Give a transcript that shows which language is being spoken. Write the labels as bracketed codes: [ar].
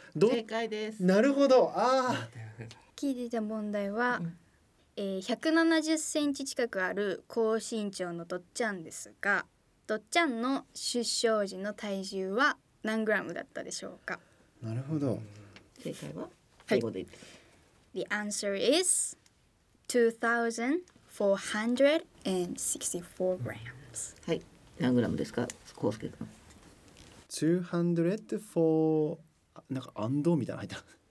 [ja] 正解です。なるほど。あ、聞いてた問題は、170センチ近くある高身長のどっちゃんですが、どっちゃんの出生時の体重は何グラムだったでしょうか。なるほど。正解は英語で言って [en] はい。The answer is 2,464 grams。 [ja] はい。何グラムですか、コウスケ君。 204なんかアンドみたいな入った。